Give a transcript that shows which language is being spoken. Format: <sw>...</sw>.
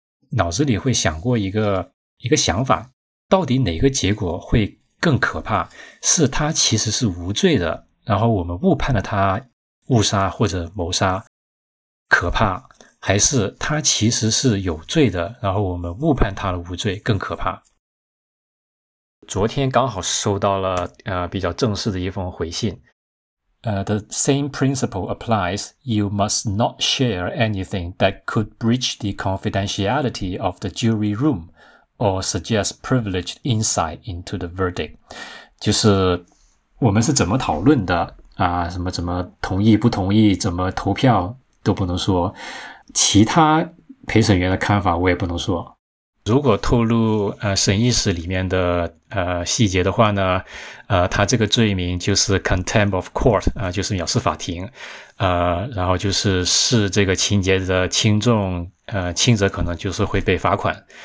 <zh>脑子里会想过一个想法，到底哪个结果会更可怕，是他其实是无罪的，然后我们误判了他误杀或者谋杀可怕，还是他其实是有罪的，然后我们误判他的无罪更可怕。昨天刚好收到了比较正式的一封回信。</zh> <en>The same principle applies. You must not share anything that could breach the confidentiality of the jury room. or suggest privileged insight into the verdict.</en> <zh>就是我们是怎么讨论的啊，什么怎么同意不同意，怎么投票都不能说，其他陪审员的看法我也不能说。如果透露审议室里面的细节的话呢，他这个罪名就是 contempt of court, 就是藐视法庭，然后就是视这个情节的轻重，轻则可能就是会被罚款。</zh>